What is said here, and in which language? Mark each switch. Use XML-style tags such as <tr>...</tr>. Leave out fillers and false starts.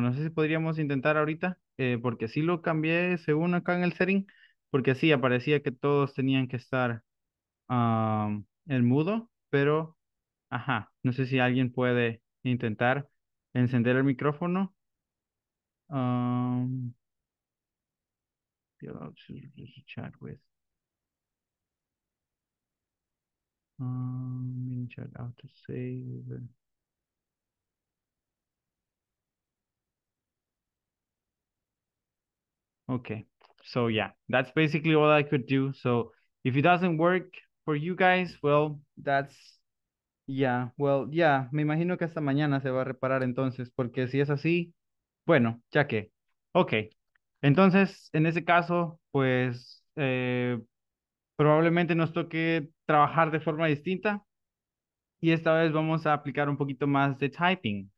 <es>No sé si podríamos intentar ahorita, porque sí lo cambié según acá en el setting, porque sí aparecía que todos tenían que estar en mudo, pero ajá, no sé si alguien puede intentar encender el micrófono.</es> <en>Okay, so yeah, that's basically all I could do. So if it doesn't work for you guys, well, that's</en> <es>Ya, well, ya, me imagino que hasta mañana se va a reparar entonces, porque si es así, bueno, ya que. Ok, entonces, en ese caso, pues probablemente nos toque trabajar de forma distinta y esta vez vamos a aplicar un poquito más de typing.</es>